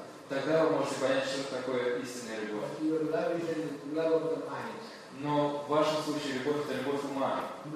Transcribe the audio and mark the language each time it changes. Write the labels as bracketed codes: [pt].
[ru] тогда вы можете понять, что такое истинная любовь. [en] Your love is the love of the mind. [ru] Но в вашем случае любовь – это любовь ума.